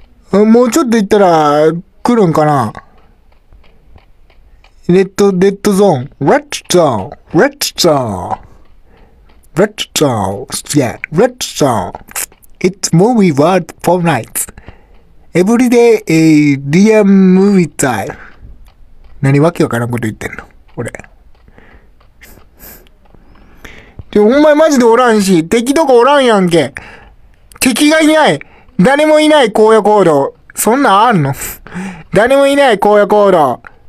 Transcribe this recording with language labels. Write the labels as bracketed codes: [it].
[ja] もうちょっと行ったら来るんかな。レッドゾーン、レッドゾーン、レッドゾーン、レッドゾーン、yeah、レッドゾーン。 [en] It's movie world for night. Every day a real movie time. [ja] 何わけわからんこと言ってんの、俺。で、お前マジでおらんし、敵とかおらんやんけ。敵がいない。誰もいない荒野行動。そんなんあんの？誰もいない荒野行動。